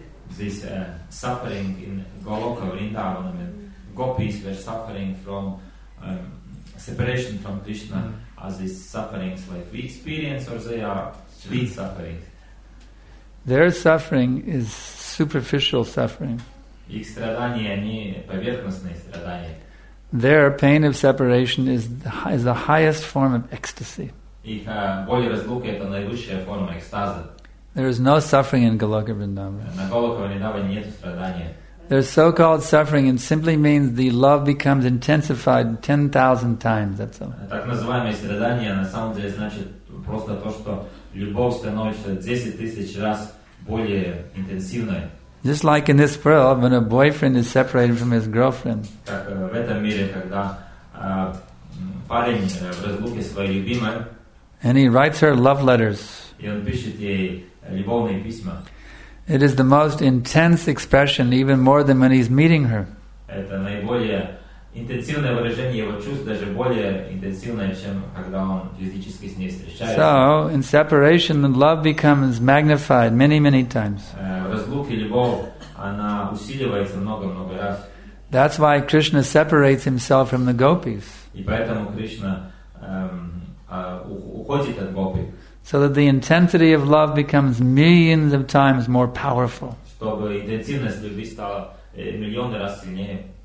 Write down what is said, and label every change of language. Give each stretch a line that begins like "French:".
English: This suffering in Goloka, Vrindavan, I mean, gopis were suffering from separation from Krishna, as these sufferings like we experience, or they are sweet sufferings? Their suffering is superficial suffering.
Russian: Их страдания, они поверхностные страдания.
English: Their pain of separation is the highest form of ecstasy.
Russian: Их боль разлуки — это наивысшая форма экстаза.
English: There is no suffering in Goloka Vrindavan.
Russian: На Голока Вриндаване нет страдания.
English: Their so-called suffering simply means the love becomes intensified 10,000 times. That's all.
Russian: Так называемые страдания на самом деле значит просто то, что любовь становится 10,000 раз более интенсивной.
English: Just like in this world, when a boyfriend is separated from his girlfriend.
Russian: Как в этом мире, когда парень в разлуке с своей любимой.
English: And he writes her love letters.
Russian: И он пишет ей любовные письма.
English: It is the most intense expression, even more than when he's meeting her.
Russian: Это наиболее интенсивное выражение его чувств, даже более интенсивное, чем когда он физически с ней встречается.
English: So, in separation, the love becomes magnified many, many times.
Russian: В разлуке любовь, она усиливается много-много раз.
English: That's why Krishna separates himself from the gopis.
Russian: И поэтому Кришна уходит от гопи.
English: So that the intensity of love becomes millions of times more powerful.
Russian: Чтобы интенсивность любви стала миллионы раз сильнее.